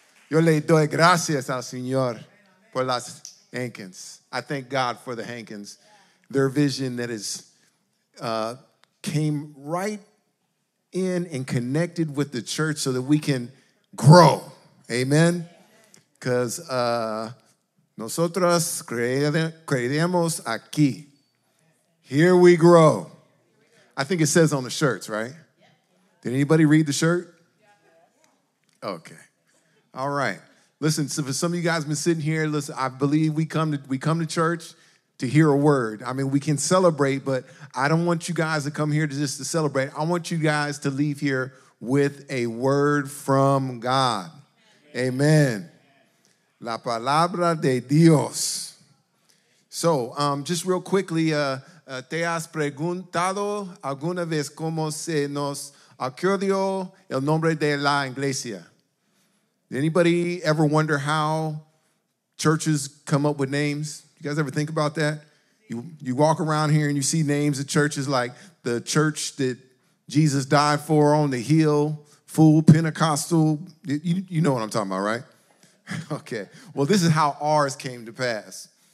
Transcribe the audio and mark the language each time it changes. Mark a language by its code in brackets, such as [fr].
[es] Yo le doy gracias al Señor por las Hankins. [en] I thank God for the Hankins. Their vision that is came right in and connected with the church so that we can grow. Amen. Because [es] nosotros creemos aquí. [en] Here we grow. I think it says on the shirts, right? Did anybody read the shirt? Okay. All right. Listen, so for some of you guys been sitting here, listen, I believe we come to church to hear a word. I mean, we can celebrate, but I don't want you guys to come here to celebrate. I want you guys to leave here with a word from God. [es] Amen. Amen. La palabra de Dios. [en] So, just real quickly, [es] ¿te has preguntado alguna vez cómo se nos acudió el nombre de la iglesia? [en] Anybody ever wonder how churches come up with names? You guys ever think about that? You walk around here and you see names of churches like the church that Jesus died for on the hill, Full Pentecostal. You know what I'm talking about, right? Okay. Well, this is how ours came to pass.